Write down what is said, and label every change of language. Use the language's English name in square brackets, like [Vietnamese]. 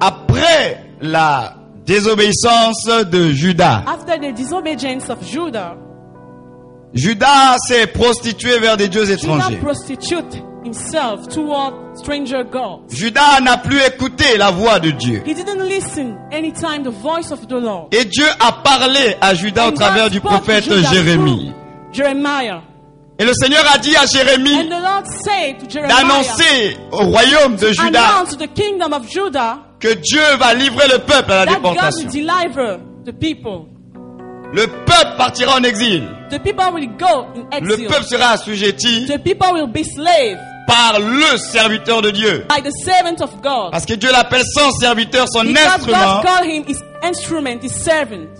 [French] Après la désobéissance de Judas. [English] After the disobedience of Judah. [French] Judas s'est prostitué vers des dieux étrangers. [English] Judas prostituted himself toward stranger gods. [French] Judas n'a plus écouté la voix de Dieu. [English] He didn't listen anytime the voice of the Lord. [French] Et Dieu a parlé à Judas [English] and [French] au travers du prophète Jérémie. [English] Jeremiah. [French] Et le Seigneur a dit à Jérémie [English] and the Lord said to Jeremiah, [French] d'annoncer au royaume de Judas [English] announce the kingdom of Judah, [French] que Dieu va livrer le peuple à la déportation. [English] That God will deliver the people. [French] Le peuple partira en exil. [English] The people will go in exile. [French] Le peuple sera assujetti. [English] The people will be slave. [French] Par le serviteur de Dieu. [English] By the servant of God. [French] Parce que Dieu l'appelle son serviteur, son instrument. [English] Because God called him his instrument, his servant.